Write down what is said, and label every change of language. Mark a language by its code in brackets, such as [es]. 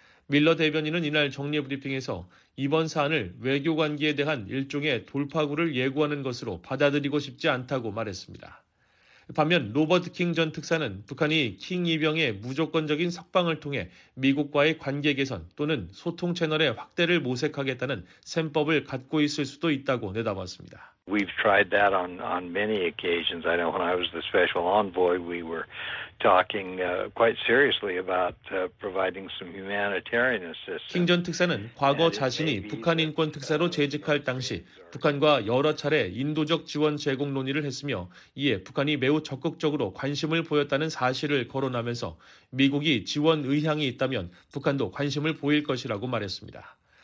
[ko] 밀러 대변인은 이날 정례 브리핑에서 이번 사안을 외교 관계에 대한 일종의 돌파구를 예고하는 것으로 받아들이고 싶지 않다고 말했습니다. 반면 로버트 킹 전 특사는 북한이 킹 이병의 무조건적인 석방을 통해 미국과의 관계 개선 또는 소통 채널의 확대를 모색하겠다는 셈법을 갖고 있을 수도 있다고 내다봤습니다. [en] We've tried that on many occasions. I know when I was the special envoy, we were talking quite seriously about providing some humanitarian assistance. [ko] 킹 전 특사는 과거 자신이 북한 인권 특사로 재직할 당시 북한과 여러 차례 인도적 지원 제공 논의를 했으며 이에 북한이 매우 적극적으로 관심을 보였다는 사실을 거론하면서 미국이 지원 의향이 있다면 북한도 관심을 보일 것이라고 말했습니다.